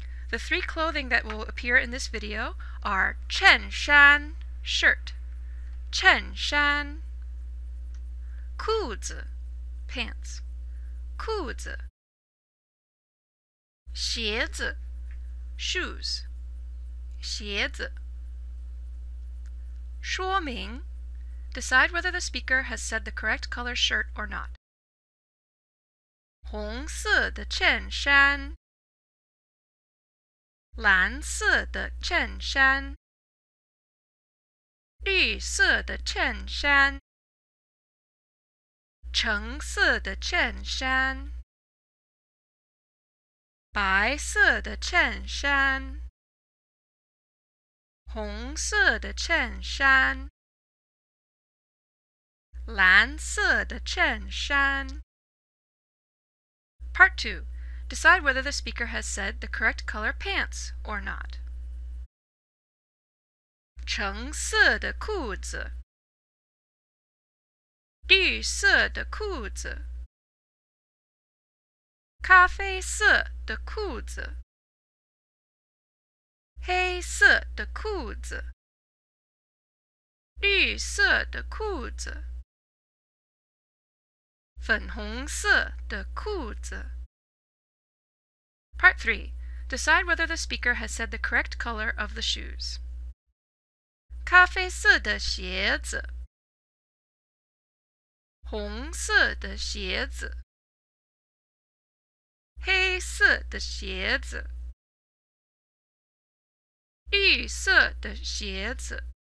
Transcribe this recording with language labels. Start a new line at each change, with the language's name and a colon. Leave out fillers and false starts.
English: The three clothing that will appear in this video are 衬衫, shirt, 衬衫, 裤子, pants, 裤子, 鞋子, shoes, 鞋子, 说明, decide whether the speaker has said the correct color shirt or not.
Chinese: 红色的衬衫, 蓝色的衬衫, 绿色的衬衫, 橙色的衬衫, 白色的衬衫, 红色的衬衫, 蓝色的衬衫.
English: Part 2. Decide whether the speaker has said the correct color pants or not.
Chinese: 橙色的裤子, 绿色的裤子, 咖啡色的裤子, 黑色的裤子, 绿色的裤子, 粉红色的裤子.
English: Part 3. Decide whether the speaker has said the correct color of the shoes.
Chinese: 咖啡色的鞋子, 红色的鞋子, 黑色的鞋子, 绿色的鞋子,